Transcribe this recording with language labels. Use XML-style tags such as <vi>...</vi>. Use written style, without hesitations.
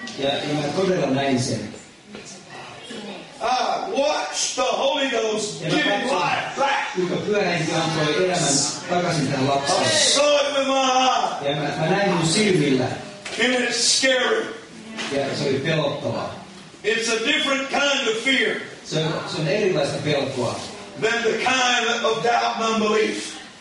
<en>Yeah,</en> <fi>mä todella näin sen.</fi> <en>I watched the Holy Ghost give life back.</en> <fi>Kuinka pyhähenki antoi elämän takaisin tähän lapseen.</fi> <en>I saw it with my eye.</en> <fi>Ja mä näin mun silmillä.</fi> <en>And it's scary.</en> <fi>Ja se oli pelottavaa.</fi> <en>It's a different kind of fear.</en> <fi>Se on erilaista pelkoa.</fi> <en>Than the kind of doubt and unbelief.</en>